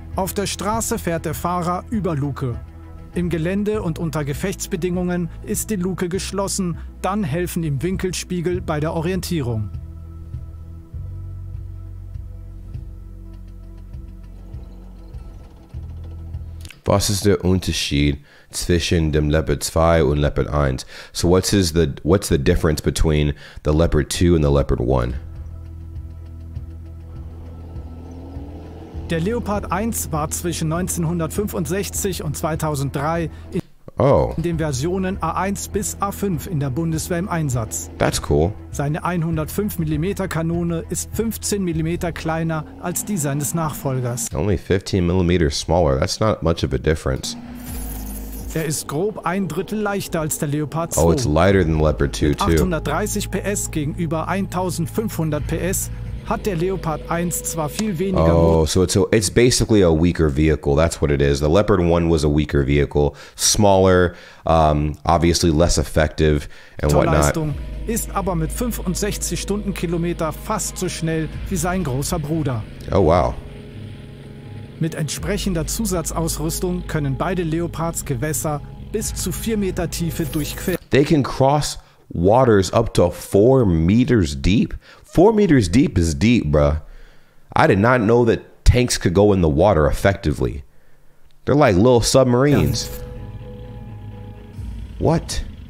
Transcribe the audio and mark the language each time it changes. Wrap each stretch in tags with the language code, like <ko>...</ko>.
<de>Auf der Straße fährt der Fahrer über Luke. Im Gelände und unter Gefechtsbedingungen ist die Luke geschlossen. Dann helfen ihm Winkelspiegel bei der Orientierung. Was ist der Unterschied zwischen dem Leopard 2 und Leopard 1?</de> <en>So what's the difference between the Leopard 2 and the Leopard 1?</en> <de>Der Leopard 1 war zwischen 1965 und 2003 in den Versionen A1 bis A5 in der Bundeswehr im Einsatz.</de> <en>That's cool.</en> <de>Seine 105mm Kanone ist 15mm kleiner als die seines Nachfolgers.</de> <en>Only 15mm smaller, that's not much of a difference.</en> <de>Er ist grob ein Drittel leichter als der Leopard 2.</de> <en>Oh, it's lighter than the Leopard 2 too.</en> <de>830 PS gegenüber 1500 PS hat der Leopard 1 zwar viel weniger.</de> <en>Oh, so it's basically a weaker vehicle. That's what it is. The Leopard 1 was a weaker vehicle, smaller, obviously less effective and whatnot.</en> <de>Torleistung ist aber mit 65 Stundenkilometer fast so schnell wie sein großer Bruder.</de> <en>Oh wow.</en> <de>Mit entsprechender Zusatzausrüstung können beide Leopards Gewässer bis zu 4 Meter Tiefe durchqueren.</de> <en>They can cross waters up to 4 meters deep. 4 meters deep is deep, bruh. I did not know that tanks could go in the water effectively. They're like little submarines. What?</en>